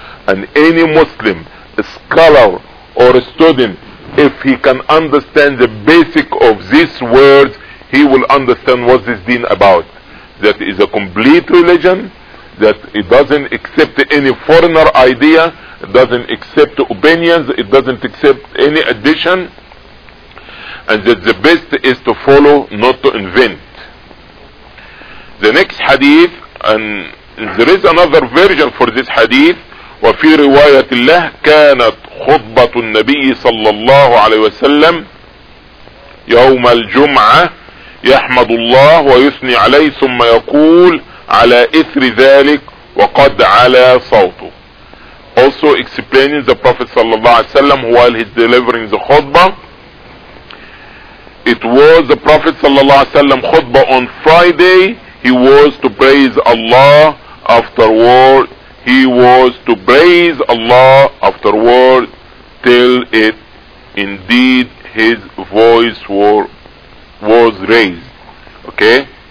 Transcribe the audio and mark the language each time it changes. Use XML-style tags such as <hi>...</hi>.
<en>And any Muslim, a scholar or a student, if he can understand the basic of these words, he will understand what this deen about. That is a complete religion, that it doesn't accept any foreigner idea, it doesn't accept opinions, it doesn't accept any addition, and that the best is to follow, not to invent. The next hadith, and there is another version for this hadith,</en> <ar>وفي رواية الله كانت خطبة النبي صلى الله عليه وسلم يوم الجمعة يحمد الله ويثني عليه ثم يقول على إثر ذلك وقد على صوته.</ar> <en>Also explaining the Prophet صلى الله عليه وسلم while he's delivering the khutbah. It was the Prophet صلى الله عليه وسلم khutbah on Friday. He was to praise Allah. Afterward, he was to praise Allah afterward till it indeed his voice was raised, okay?</en>